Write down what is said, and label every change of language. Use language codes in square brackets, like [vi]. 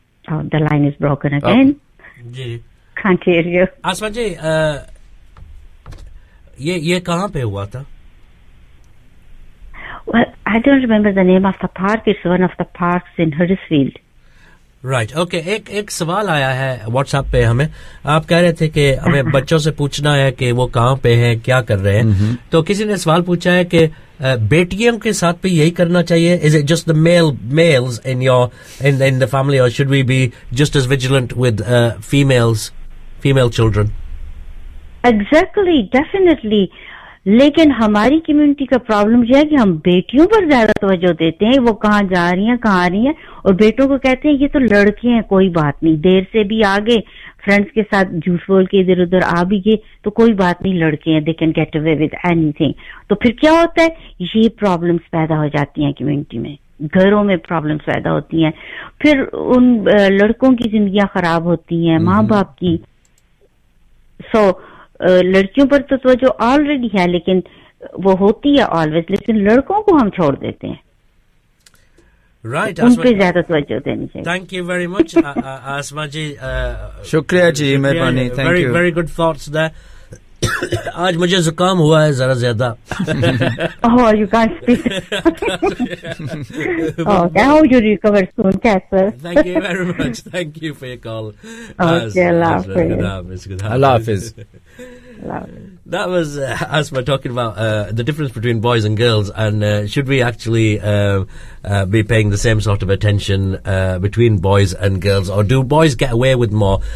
[en] Oh, the line is broken again. Can't hear you. [hi] Asma ji, ye kahan pe hua tha? [en] Well, I don't remember the name of the park. It's one of the parks in Huddersfield. Right. Okay. [hi] एक सवाल आया है WhatsApp पे हमें. आप कह रहे थे कि हमें बच्चों से पूछना है कि वो कहाँ पे हैं, क्या कर रहे हैं. तो किसी ने सवाल पूछा है कि बेटियों के साथ भी यही करना चाहिए. [en] Is it just the males in your in the family, or should we be just as vigilant with female children? Exactly. Definitely. [hi] लेकिन हमारी कम्युनिटी का प्रॉब्लम यह है कि हम बेटियों पर ज्यादा तवज्जो देते हैं. वो कहाँ जा रही हैं, कहाँ आ रही हैं, और बेटों को कहते हैं ये तो लड़के हैं, कोई बात नहीं, देर से भी आगे फ्रेंड्स के साथ झूठ बोल के इधर उधर आ भी गए तो कोई बात नहीं, लड़के हैं, [en] They can get away with anything. [hi] तो फिर क्या होता है, ये प्रॉब्लम्स पैदा हो जाती हैं कम्युनिटी में, घरों में प्रॉब्लम्स पैदा होती हैं, फिर उन लड़कों की जिंदगियां खराब होती हैं, माँ बाप की. सो लड़कियों पर तो जो ऑलरेडी है, लेकिन वो होती है ऑलवेज, लेकिन लड़कों को हम छोड़ देते हैं. राइट, उन पे ज्यादा तवज्जो देनी चाहिए. [en] Thank you very much Asma ji. [hi] शुक्रिया जी, मेहरबानी. [en] Thank you, very very good thoughts there. [hi] आज मुझे जुकाम हुआ है जरा ज्यादा. [en] Oh, you can't speak. Oh, now you recover soon, Casper. Thank you very much. Thank you for your call. Okay, [hi] Allah Hafiz. [en] That was Asma talking about the difference between boys and girls, and should we actually be paying the same sort of attention between boys and girls, or do boys get away with more?